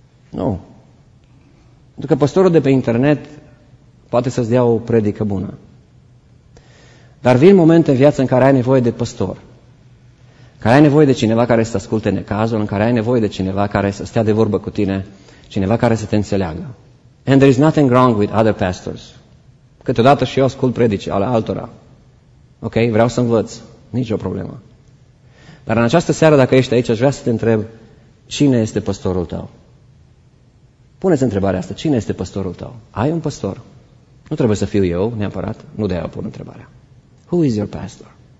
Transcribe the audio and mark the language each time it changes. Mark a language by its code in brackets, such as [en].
[ro] Nu. Pentru că păstorul de pe internet poate să-ți dea o predică bună. Dar vin momente în viață în care ai nevoie de păstor. Care ai nevoie de cineva care să asculte necazul, în care ai nevoie de cineva care să stea de vorbă cu tine, cineva care să te înțeleagă. [en] And there is nothing wrong with other pastors. [ro] Câteodată și eu ascult predici ale altora. Ok, vreau să învăț. Nici o problemă. Dar în această seară, dacă ești aici, aș vrea să te întreb, cine este păstorul tău? Pune-ți întrebarea asta, cine este păstorul tău? Ai un păstor? Nu trebuie să fiu eu, neapărat, nu de aia pun întrebarea. [en] Who is your pastor?